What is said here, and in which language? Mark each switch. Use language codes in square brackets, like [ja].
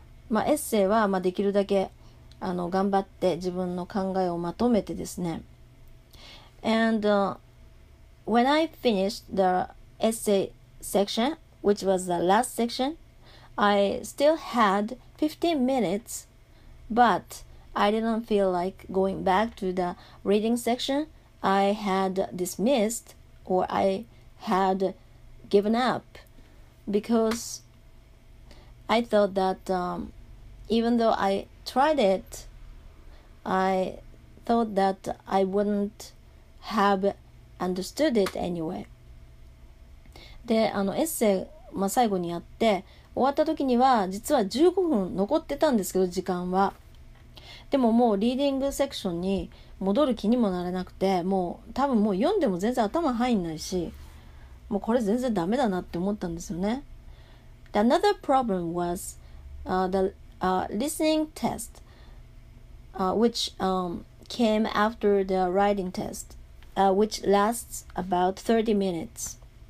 [ja] エッセイはできるだけ頑張って自分の考えをまとめてですね。 [en] And when I finished the essay section, which was the last section, I still had 15 minutes, but I didn't feel like going back to the reading section. I had dismissed or I had given up because I thought that even though I tried it, I thought that I wouldn't have understood it anyway. [ja] で、エッセイ、最後にやって、終わった時には、実は15分残ってたんですけど、時間は。でももうリーディングセクションに戻る気にもなれなくて、もう多分もう読んでも全然頭入んないし、もうこれ全然ダメだなって思ったんですよね。 [en] で、another problem was, listening test, which came after the writing test, which lasts about 30 minutes.